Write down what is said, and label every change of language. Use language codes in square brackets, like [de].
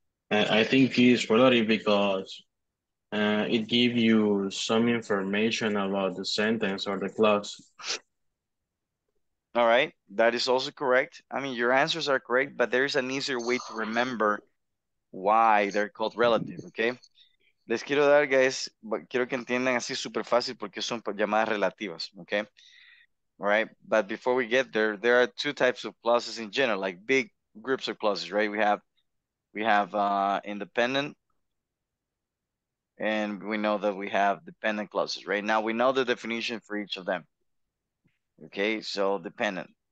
[en] I think it's relative because it gives you some information about the sentence or the clause. All right, that is also correct. I mean, your answers are correct, but there is an easier way to remember why they're called relative, okay? [es] Les quiero dar, guys, quiero que entiendan así súper fácil porque son llamadas relativas, okay? [en] All right, but before we get there, there are two types of clauses in general, like big groups of clauses, right? We have independent, and we know that we have dependent clauses, right? Now we know the definition for each of them, okay? So dependent.